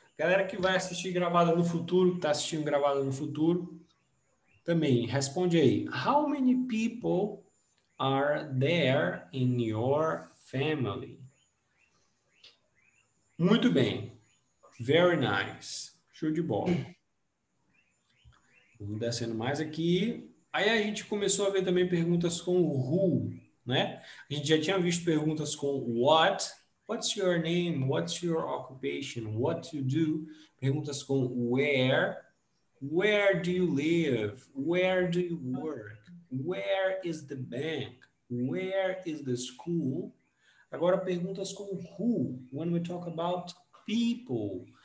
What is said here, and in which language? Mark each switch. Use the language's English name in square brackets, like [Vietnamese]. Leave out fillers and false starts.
[Portuguese] Galera que vai assistir gravado no futuro, que tá assistindo gravado no futuro, também responde aí. [English] How many people are there in your family? [Portuguese] Muito bem. [English] Very nice. [Portuguese] Show de bola. Vamos descendo mais aqui. Aí a gente começou a ver também perguntas com who, né? A gente já tinha visto perguntas com what. [English] What's your name? What's your occupation? What you do? [Portuguese] Perguntas com where. [English] Where do you live? Where do you work? Where is the bank? Where is the school? [Portuguese] Agora perguntas com who. [English] When we talk about people.